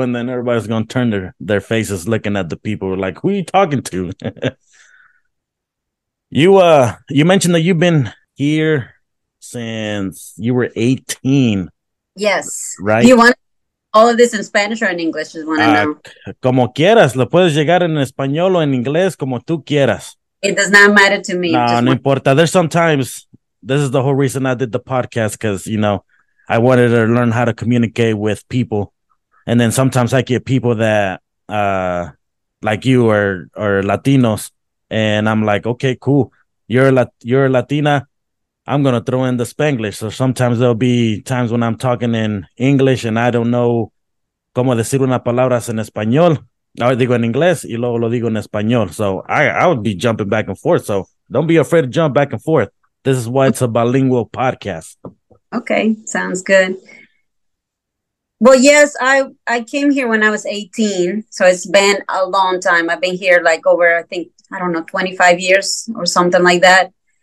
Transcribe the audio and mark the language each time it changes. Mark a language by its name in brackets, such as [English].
[English] And then everybody's going to turn their faces looking at the people like, who are you talking to? you mentioned that you've been here since you were 18. Yes. Right. All of this in Spanish or in English, just want to know. [Spanish] Como quieras, lo puedes llegar en español o en inglés, como tú quieras. [English] It does not matter to me. [Spanish] No importa. [English] There's sometimes, this is the whole reason I did the podcast, because, you know, I wanted to learn how to communicate with people. And then sometimes I get people that, like you, or Latinos, and I'm like, okay, cool. You're a Latina. I'm going to throw in the Spanglish. So sometimes there'll be times when I'm talking in English and I don't know [Spanish] cómo decir una palabra en español. I digo en inglés y luego lo digo en español. [English] So I would be jumping back and forth. So don't be afraid to jump back and forth. This is why it's a bilingual podcast. Okay, sounds good. Well, yes, I came here when I was 18. So it's been a long time. I've been here like over, I think, I don't know, 25 years or something like that.